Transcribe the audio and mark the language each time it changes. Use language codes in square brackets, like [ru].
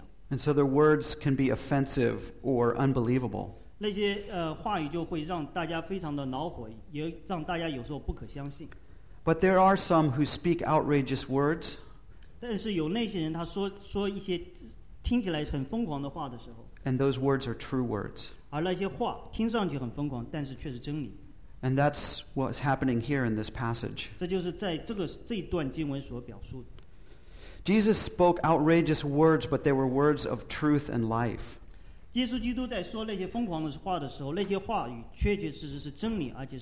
[en] And so their words can be offensive or unbelievable. [zh] 那些, [en] but there are some who speak outrageous words. [zh] 但是有那些人他说一些听起来很疯狂的话的时候, [en] and those words are true words. [zh] 而那些话听上去很疯狂, [en] and that's what's happening here in this passage. Jesus spoke outrageous words, but they were words of truth and life. [zh] 那些话语确确实实是真理,